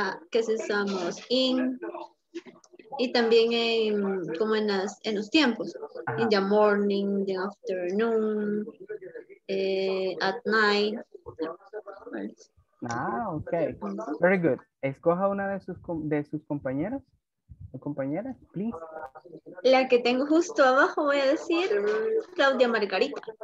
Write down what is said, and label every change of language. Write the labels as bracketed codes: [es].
[es] Que si usamos in, y también en los tiempos. [en] Ajá. In the morning, the afternoon, at night. Ah, okay. Very good. [es] Escoja una de sus compañeros o compañeras, please. La que tengo justo abajo voy a decir Claudia Margarita.